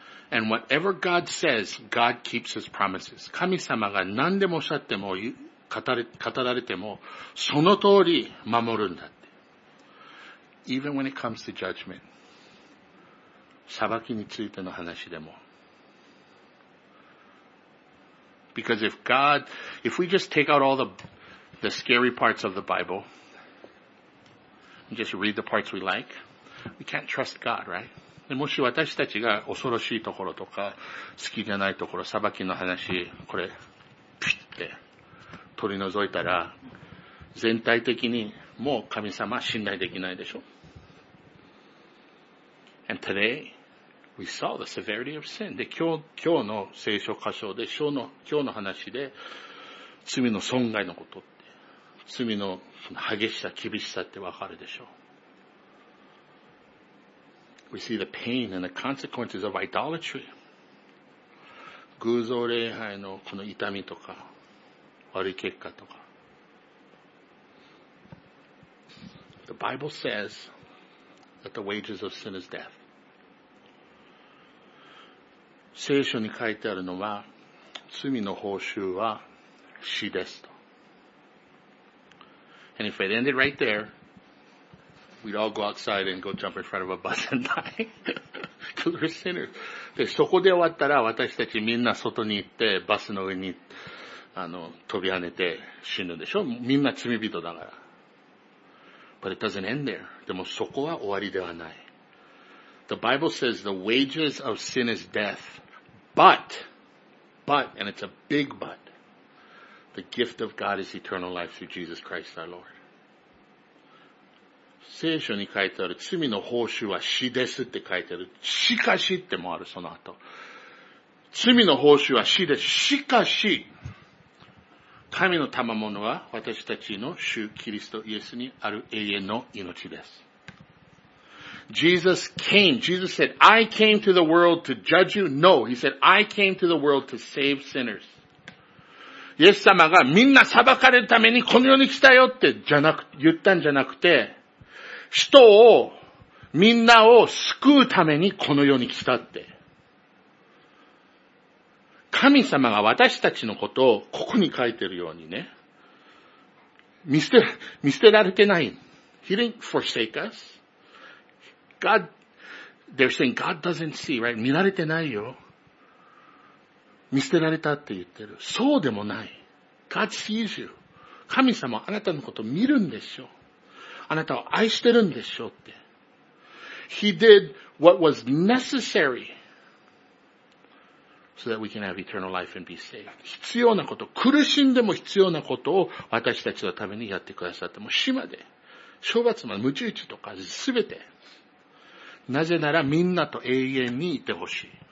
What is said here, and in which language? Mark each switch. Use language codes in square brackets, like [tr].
[en] And whatever God says, God keeps his promises. [ja] 神様が何でもおっしゃっても、語られても、その通り守るんだって。 [en] Even when it comes to judgment. [ja] 裁きについての話でも。 [en] Because if we just take out all the scary parts of the Bible, and just read the parts we like, we can't trust God, right? [ja] で、もし私たちが恐ろしいところとか、好きじゃないところ、裁きの話、これ、ピッて取り除いたら、全体的にもう神様信頼できないでしょ。 [en] And today, we saw the severity of sin. [ja] で、今日の聖書箇所で、今日の話で、罪の損害のこと、罪の激しさ、厳しさってわかるでしょう。 [en] We see the pain and the consequences of idolatry. [ja] 偶像礼拝のこの痛みとか、悪い結果とか。 [en] The Bible says that the wages of sin is death. [ja] 聖書に書いてあるのは、罪の報酬は死ですと。 [en] And if it ended right there, we'd all go outside and go jump in front of a bus and die. Because we're sinners. [ja] で、そこで終わったら私たちみんな外に行って、バスの上に、飛び跳ねて死ぬでしょ。みんな罪人だから。 [en] But it doesn't end there. [ja] でもそこは終わりではない。 [en] The Bible says the wages of sin is death. But, and it's a big but. The gift of God is eternal life through Jesus Christ our Lord. [ja] 聖書に書いてある罪の報酬は死ですって書いてある。しかしってもあるその後。罪の報酬は死です。しかし、神の賜物は私たちの主キリストイエスにある永遠の命です。 [en] Jesus came. Jesus said, I came to the world to judge you. No, he said, I came to the world to save sinners. [ja] イエス様がみんな裁かれるためにこの世に来たよって言ったんじゃなくて、人を、みんなを救うためにこの世に来たって。神様が私たちのことをここに書いてるようにね、見捨てられてない。 [en] He didn't forsake us. God, they're saying God doesn't see, right? [ja] 見られてないよ。見捨てられたって言ってる。そうでもない。 [en] God sees you. [ja] 神様あなたのこと見るんでしょう。あなたを愛してるんでしょうって。 [en] He did what was necessary so that we can have eternal life and be saved. [ja] 必要なこと、苦しんでも必要なことを私たちのためにやってくださって、もう死まで、処罰まで、鞭打ちとか、すべて。なぜならみんなと永遠にいてほしい。